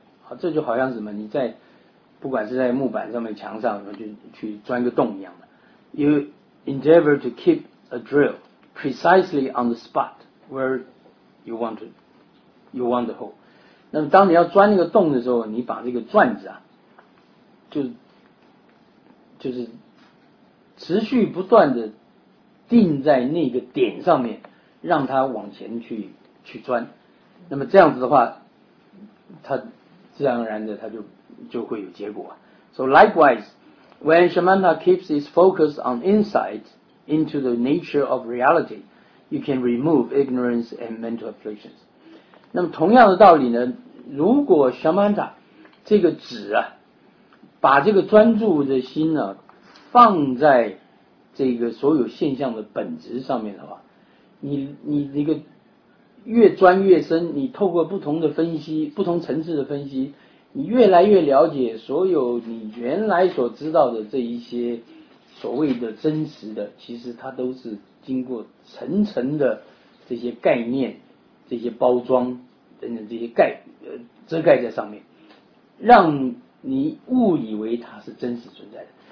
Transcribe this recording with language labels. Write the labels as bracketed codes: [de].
[zh] 好，这就好像什么，你在不管是在木板上面墙上就去钻个洞一样的。 [en] You endeavor to keep a drill precisely on the spot where you want the hole。 [zh] 那么当你要钻那个洞的时候，你把这个钻子啊就是持续不断的定在那个点上面，让它往前去钻。那么这样子的话，它自然而然的它就会有结果。 [en] So likewise, when Samatha keeps its focus on insight into the nature of reality, you can remove ignorance and mental afflictions. [zh] 那么同样的道理呢，如果 Samatha 这个纸啊，把这个专注的心呢、啊，放在这个所有现象的本质上面的话，你那个越钻越深，你透过不同的分析，不同层次的分析，你越来越了解所有你原来所知道的这一些所谓的真实的，其实它都是经过层层的这些概念、这些包装等等这些遮盖在上面，让你误以为它是真实存在的。